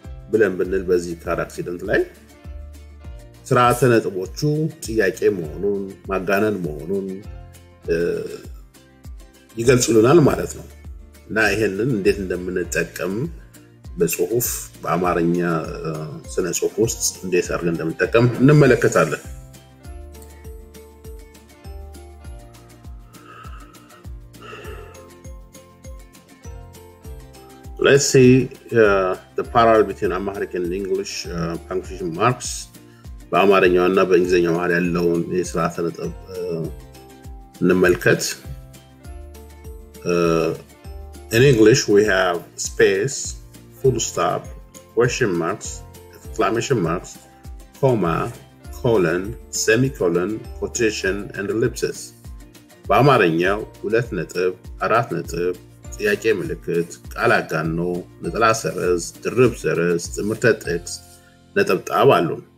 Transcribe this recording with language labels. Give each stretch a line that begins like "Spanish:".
Amharic: ብለን ብንል በዚህ ካር አክሲደንት ላይ ስርዐተ ነጥቦቹ ጥያቄ መሆኑን ማጋነን መሆኑን ይገልጹልናል ማለት ነው። እና ይሄንን እንዴት እንደምንጠቀም በጽሑፍ በአማርኛ ስነ ጽሑፍ ውስጥ እንዴት አድርገን እንደምንጠቀም እንመለከታለን።
English: Let's see the parallel between Amharic and English punctuation marks.
Amharic: በአማርኛው እና በእንግሊዘኛው ማለት ያለው የስርዐተ ነጥብ እንመልከት።
English: In English we have space, full stop, question marks, exclamation marks, comma, colon, semicolon, quotation and ellipsis.
Amharic: በአማርኛው ሁለት ነጥብ፣ አራት ነጥብ፣ ጥያቄ ምልክት፣ ቃል አጋኖ፣ ነጠላ ሰረዝ፣ ድርብ ሰረዝ፣ ትምህርተ ጥቅስ፣ ነጠብጣብ አሉ።